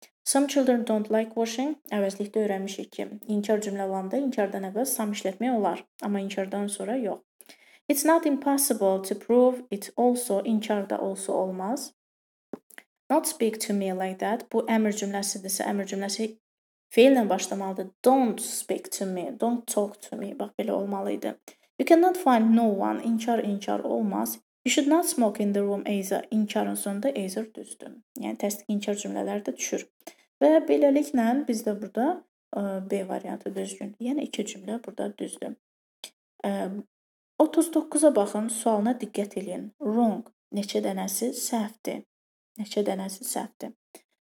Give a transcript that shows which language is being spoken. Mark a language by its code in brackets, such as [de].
[en] Some children don't like washing. [az] Əvəzlikdə öyrənmişik ki, inkar cümlə olanda inkardan əvvəl some işlətmək olar. Amma inkardan sonra yox. [en] It's not impossible to prove it also, [az] inkarda also olmaz. [en] Not speak to me like that. [az] Bu əmr cümləsidirsə, əmr cümləsi feillə başlamalıdır. [en] Don't speak to me, don't talk to me. [az] Bax, belə olmalıydı. [en] You cannot find no one. [az] İnkar, inkar olmaz. [en] You should not smoke in the room either. [az] İnkarın sonunda either düzdür. Yəni, təsdiq inkar cümlələri də düşür. Və beləliklə, biz də burada B variantı düzgün. Yəni, iki cümlə burada düzdür. 39-a baxın, sualına diqqət edin. Wrong. Neçə dənəsi səhvdir. Neçə dənəsi səhvdir.